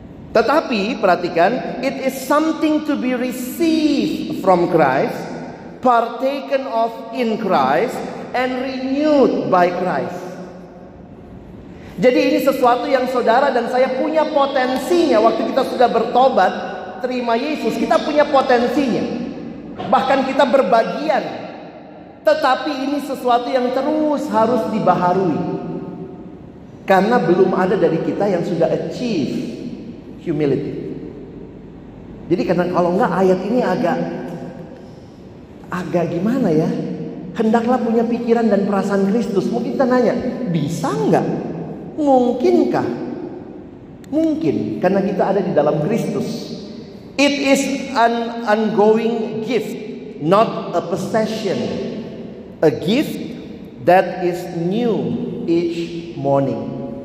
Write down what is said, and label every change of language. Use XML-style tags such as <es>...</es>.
<id>Tetapi perhatikan,</id> <en>it is something to be received from Christ, partaken of in Christ, and renewed by Christ.</en> <id>Jadi ini sesuatu yang saudara dan saya punya potensinya. Waktu kita sudah bertobat, terima Yesus, kita punya potensinya. Bahkan kita berbagian. Tetapi ini sesuatu yang terus harus dibaharui. Karena belum ada dari kita yang sudah achieve humility. Jadi karena kalau enggak ayat ini agak gimana ya? Hendaklah punya pikiran dan perasaan Kristus. Mungkin kita nanya, bisa enggak? Mungkinkah? Mungkin karena kita ada di dalam Kristus.</id> <en>It is an ongoing gift, not a possession. A gift that is new each morning.</en>